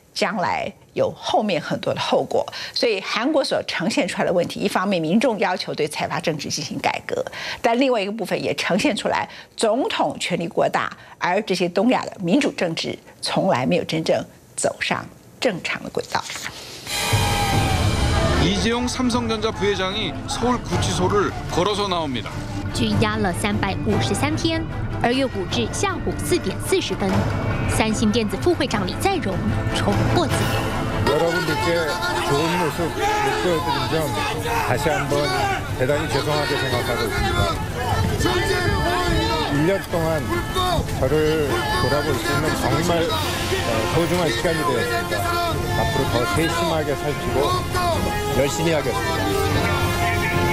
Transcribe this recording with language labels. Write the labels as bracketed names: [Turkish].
[Chinese] 将来有后面很多的后果。所以韩国所呈现出来的问题，一方面民众要求对财阀政治进行改革，但另外一个部分也呈现出来总统权力过大，而这些东亚的民主政治从来没有真正走上正常的轨道。 [Korean] 이재용삼성전자부회장이서울구치소를걸어서나옵니다 [Chinese] 拘押了353天，二月五日下午4:40，三星电子副会长李在镕重获自由。 [Korean] 여러분들께좋은모습보여드린점다시한번대단히죄송하게생각하고있습니다1년동안저를돌아볼수있는정말소중한시간이되었습니다앞으로더세심하게살피고열심히하겠습니다